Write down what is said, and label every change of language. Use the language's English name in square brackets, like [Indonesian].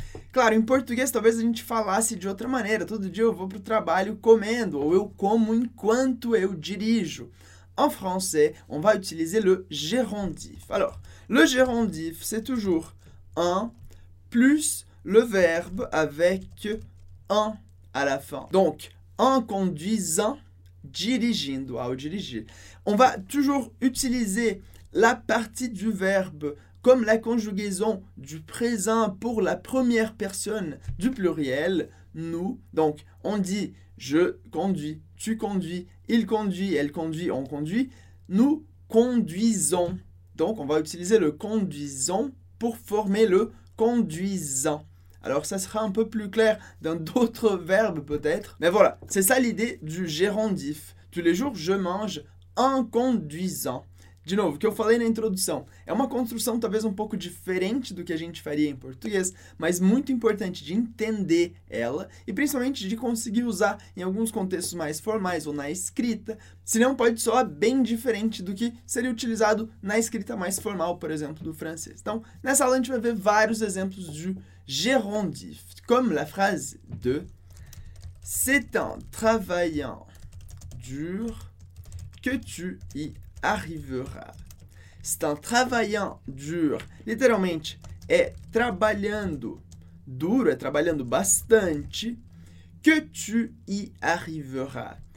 [Portuguese] Claro, em português talvez a gente falasse de outra maneira. Todo dia eu vou para o trabalho comendo, ou eu como enquanto eu dirijo. [French] En français, on va utiliser le gérondif. Alors, le gérondif, c'est toujours en plus le verbe avec en à la fin. Donc, en conduisant, [Portuguese] dirigindo, ao dirigir. [French] On va toujours utiliser la partie du verbe comme la conjugaison du présent pour la première personne du pluriel, nous. Donc, on dit je conduis, tu conduis, il conduit, elle conduit, on conduit. Nous conduisons. Donc, on va utiliser le conduisons pour former le conduisant. Alors, ça sera un peu plus clair dans d'autres verbes peut-être. Mais voilà, c'est ça l'idée du gérondif. Tous les jours, je mange en conduisant. [Portuguese] De novo, o que eu falei na introdução, é uma construção talvez um pouco diferente do que a gente faria em português, mas muito importante de entender ela e principalmente de conseguir usar em alguns contextos mais formais ou na escrita, senão pode soar bem diferente do que seria utilizado na escrita mais formal, por exemplo, do francês. Então, nessa aula a gente vai ver vários exemplos de gérondif, como a frase de [French] C'est en travaillant dur que tu y arrivera. C'est en travaillant dur. [Portuguese] Literalmente, é trabalhando duro, é trabalhando bastante, [French] que tu y arrivera.